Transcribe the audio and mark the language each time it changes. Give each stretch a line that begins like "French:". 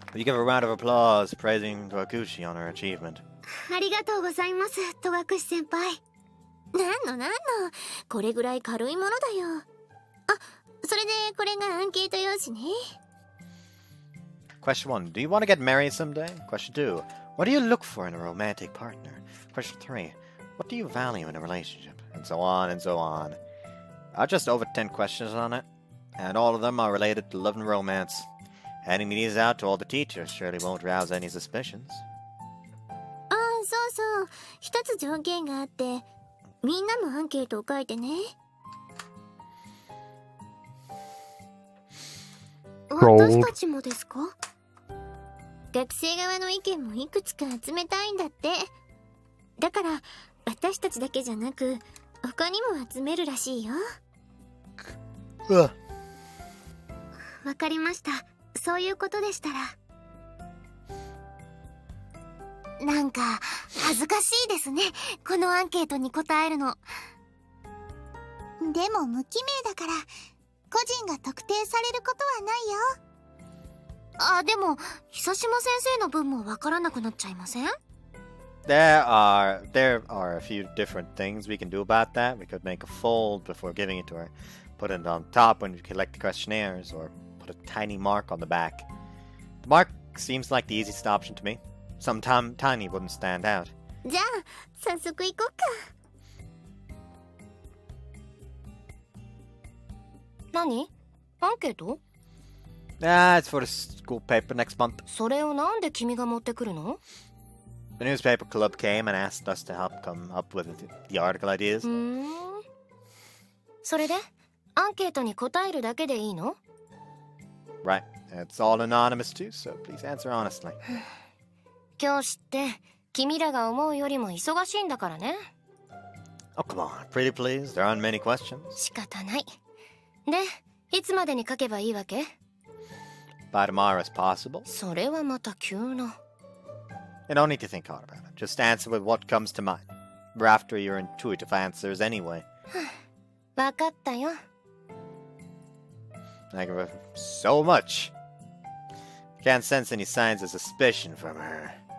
English: You give a round of applause praising Togakushi on her achievement.
Japanese: ありがとうございます、Togakushi先輩。なんのなんの、これぐらい軽いものだよ。あ、それでこれがアンケート用紙ね。
English: Question 1. Do you want to get married someday? Question 2. What do you look for in a romantic partner? Question 3. What do you value in a relationship? And so on and so on. I've just over 10 questions on it, and all of them are related to love and romance. Handing these out to all the teachers surely won't rouse any suspicions.
Japanese: あ、そうそう。一つ条件があって、みんなもアンケートを書いてね。私たちもですか？学生側の意見もいくつか集めたいんだって。だから私たちだけじゃなく他にも集めるらしいよ。わかりました。そういうことでしたら。なんか恥ずかしいですね、このアンケートに答えるの。でも無記名だから個人が特定されることはないよ。あ、でも久島先生の分もわからなくなっちゃいません？
English: There are a few different things we can do about that. We could make a fold before giving it to her. Put it on top when you collect the questionnaires, or put a tiny mark on the back. The mark seems like the easiest option to me. Sometime tiny wouldn't stand out.
Japanese: じゃあ早速行こうか。何？アンケート？
English: It's for the school paper next month.
Japanese: それをなんで君が持ってくるの？
English: The newspaper club came and asked us to help come up with the article ideas.
Japanese: それで？アンケートに答えるだけでいいの？
English: Right. It's all anonymous too, so please answer honestly.
Japanese: 教師って君らが思うよりも忙しいんだからね。
English: Oh, come on. Pretty please. There aren't many questions.
Japanese: 仕方ない。で、いつまでに書けばいいわけ?
English: By tomorrow is possible.
Japanese: それはまた急な。
English: You don't need to think hard about it. Just answer with what comes to mind. We're after your intuitive answers anyway.
Japanese: わかったよ。
English: Thank you so much. Can't sense any signs of suspicion from her.